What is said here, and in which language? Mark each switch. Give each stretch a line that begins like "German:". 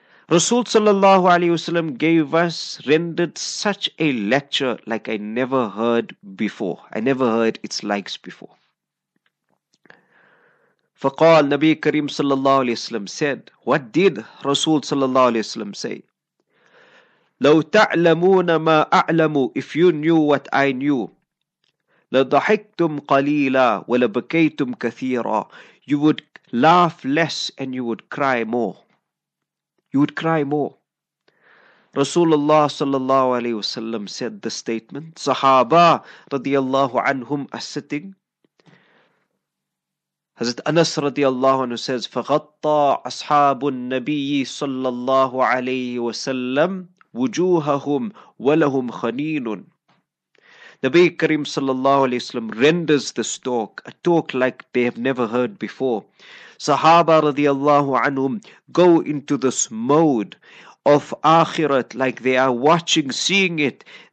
English: Rasul sallallahu alayhi wasallam rendered such a lecture like I never heard before. I never heard its likes before.
Arabic: فقال نبي كريم صلى الله عليه وسلم
English: said, what did Rasul
Arabic: صلى الله عليه وسلم
English: say?
Arabic: لو تعلمون ما أعلم,
English: if you knew what I knew,
Arabic: لضحكتم قليلا ولبكيتم كثيرا,
English: you would laugh less and you would cry more. You would cry more.
Arabic: رسول الله صلى الله عليه وسلم
English: said the statement.
Arabic: صحابة رضي الله عنهم
English: are sitting. Hazrat Anas radiallahu anhu says,
Arabic: فَغَطَّى أَصْحَابُ النَّبِيِّ صَلَّى اللَّهُ عَلَيْهِ وَسَلَّمْ وُجُوهَهُمْ وَلَهُمْ خَنِينٌ.
English: Nabi Karim sallallahu alayhi wa sallam renders this talk, a talk like they have never heard before. Sahaba radiallahu anhum go into this mode of akhirat like they are watching, seeing it.